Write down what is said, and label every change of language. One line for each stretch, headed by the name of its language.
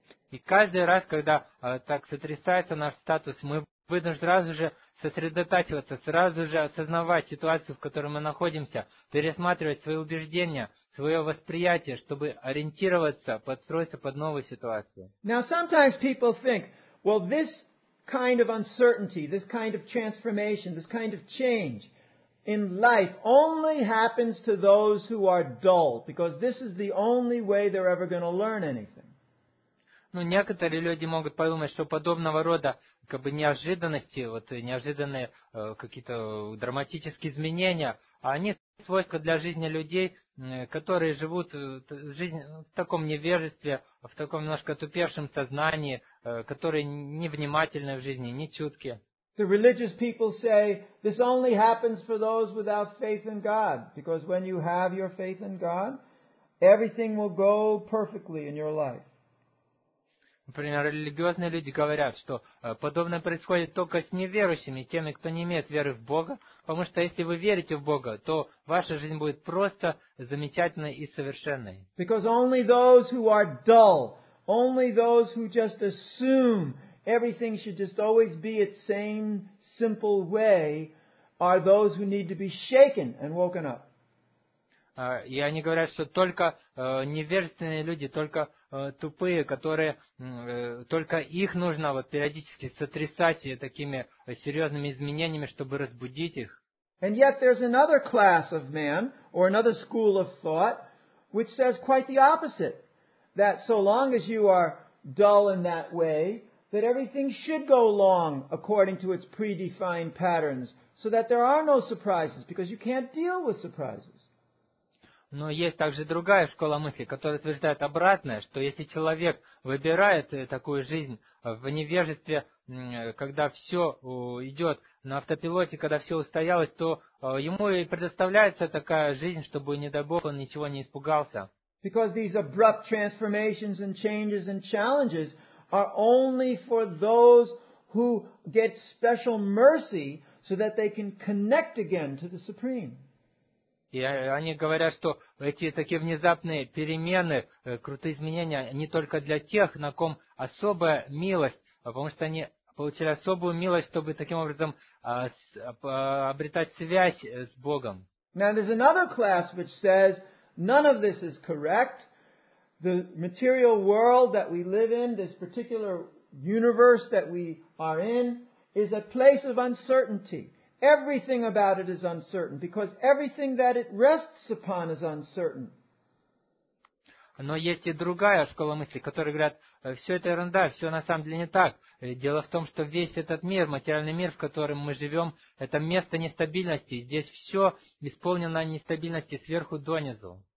Russian: И каждый раз, когда так сотрясается наш статус, мы вынуждены сразу же сосредотачиваться, сразу же осознавать ситуацию, в которой мы находимся, пересматривать свои убеждения, свое восприятие, чтобы ориентироваться, подстроиться под новую ситуацию.
English: Now sometimes people think, well, this kind of uncertainty, this kind of transformation, this kind of change in life only happens to those who are dull, because this is the only way they're ever going to learn anything.
Russian: Ну, некоторые люди могут подумать, что подобного рода как бы неожиданности, вот неожиданные какие-то драматические изменения, а они свойства для жизни людей, которые живут в таком невежестве, в таком немножко тупевшем сознании, которые невнимательны в жизни, нечутки.
English: The religious people say this only happens for those without faith in God, because when you have your faith in God, everything will go perfectly in your life.
Russian: Например, религиозные люди говорят, что подобное происходит только с неверующими, теми, кто не имеет веры в Бога, потому что если вы верите в Бога, то ваша жизнь будет просто замечательной и совершенной.
English: Because only those who are dull, only those who just assume everything should just always be its same simple way, are those who need to be shaken and woken up.
Russian: И они говорят, что только невежественные люди, только тупые, которые только их нужно вот периодически сотрясать такими серьезными изменениями, чтобы разбудить их.
English: And yet there's another class of man or another school of thought which says quite the opposite, that so long as you are dull in that way, that everything should go along according to its predefined patterns, so that there are no surprises, because you can't deal with surprises.
Russian: Но есть также другая школа мысли, которая утверждает обратное, что если человек выбирает такую жизнь в невежестве, когда все идет на автопилоте, когда все устоялось, то ему и предоставляется такая жизнь, чтобы, не дай Бог, он ничего не испугался.
English: Because these abrupt transformations and changes and challenges are only for those who get special mercy so that they can connect again to the Supreme.
Russian: И они говорят, что эти такие внезапные перемены, крутые изменения, не только для тех, на ком особая милость, потому что они получили особую милость, чтобы таким образом обретать связь с Богом.
English: Now there's another class which says none of this is correct. The material world that we live in, this particular universe that we are in, is a place of uncertainty. Everything about it is uncertain, because everything that it rests upon is uncertain.
Russian: Но есть и другая школа мысли, которая говорит, все это ерунда, все на самом деле не так. Дело в том, что весь этот мир, материальный мир, в котором мы живем, это место нестабильности. Здесь все исполнено нестабильности сверху донизу.